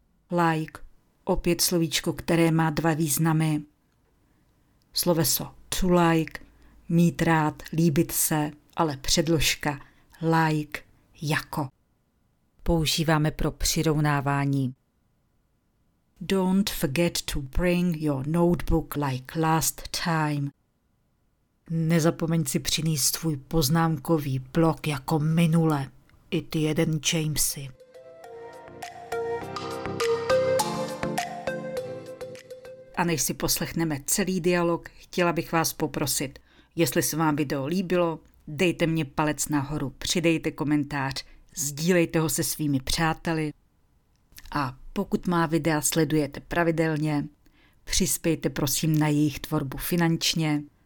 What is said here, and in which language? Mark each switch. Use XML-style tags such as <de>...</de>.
<cs>Like, opět slovíčko, které má 2 významy. Sloveso to like, mít rád, líbit se, ale předložka like, jako. Používáme pro přirovnávání.</cs> <en>Don't forget to bring your notebook like last time.</en> <cs>Nezapomeň si přinést svůj poznámkový blok jako minule. I ty jeden, Jamesy. A než si poslechneme celý dialog, chtěla bych vás poprosit, jestli se vám video líbilo, dejte mně palec nahoru, přidejte komentář, sdílejte ho se svými přáteli a pokud má videa sledujete pravidelně, přispějte prosím na jejich tvorbu finančně.</cs>